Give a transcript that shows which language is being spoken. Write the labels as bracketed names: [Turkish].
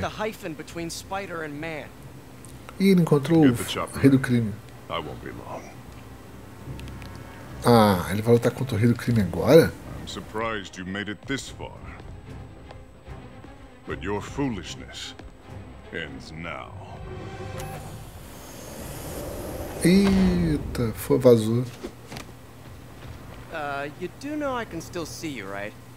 [English] the hyphen between spider and man. [Portuguese] Ih, ele encontrou o rei do crime. [English] I won't be long. [Portuguese] Ah, ele vai lutar contra o rei do crime agora? [English] I'm surprised you made it this far. But your foolishness ends now. [Portuguese] Eita, foi vazou. [English] You do know I can still see you, right?